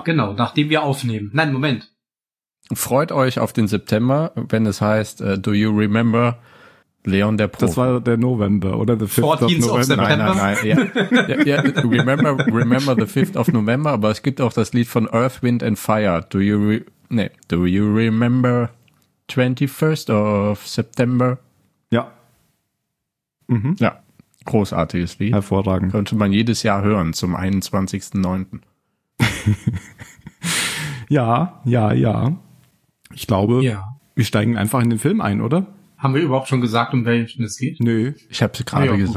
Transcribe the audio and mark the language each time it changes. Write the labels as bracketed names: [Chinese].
[German] Genau, nachdem wir aufnehmen. Nein, Moment. Freut euch auf den September, wenn es heißt, [English] do you remember [German] Leon der Profi? Das war der November, oder? [English] The 5th of November. [German] Nein. Ja, [English] remember the 5th of November, [German] aber es gibt auch das Lied von Earth, Wind and Fire. [English] Do you remember 21st of September? [German] Ja. Mhm. Ja. Großartiges Lied. Hervorragend. Könnte man jedes Jahr hören zum 21.9. Ja. Ich glaube, wir steigen einfach in den Film ein, oder? Haben wir überhaupt schon gesagt, um welchen es geht? Nö. Ich habe es gerade gesagt.